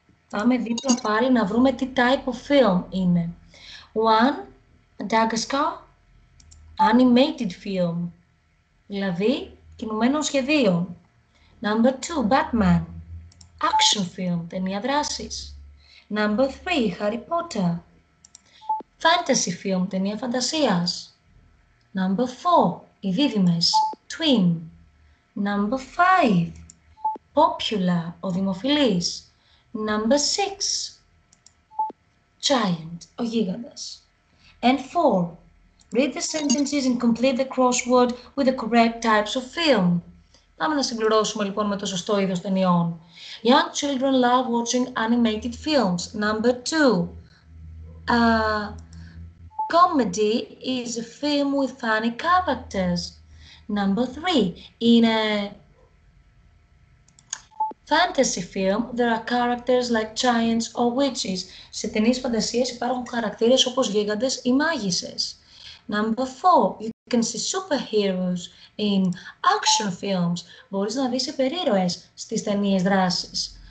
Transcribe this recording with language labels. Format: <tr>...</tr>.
<el>Πάμε δίπλα πάλι να βρούμε τι</el> <en>type of film</en> <el>είναι.</el> <en>One, Madagascar, animated film,</en> <el>δηλαδή κινουμένων σχεδίων.</el> <en>Number two, Batman, action film,</en> <el>ταινία δράσης.</el> <en>Number three, Harry Potter, fantasy film,</en> <el>ταινία φαντασίας.</el> <en>Number four, οι δίδυμες, twin. Number five, popular, ο δημοφιλής. Number six, giant, ο γίγαντας. And four, read the sentences and complete the crossword with the correct types of film.</en> <el>Πάμε να συμπληρώσουμε λοιπόν με το σωστό είδος ταινιών.</el> <en>Young children love watching animated films. Number two, comedy is a film with funny characters. Number three, in a fantasy film, there are characters like giants or witches.</en> <el>Σε ταινίες φαντασίας υπάρχουν χαρακτήρες όπως γίγαντες ή μάγισσες.</el> <en>Number four, you can see superheroes in action films.</en> <el>Μπορείς να δεις υπερήρωες στις ταινίες δράσης.</el>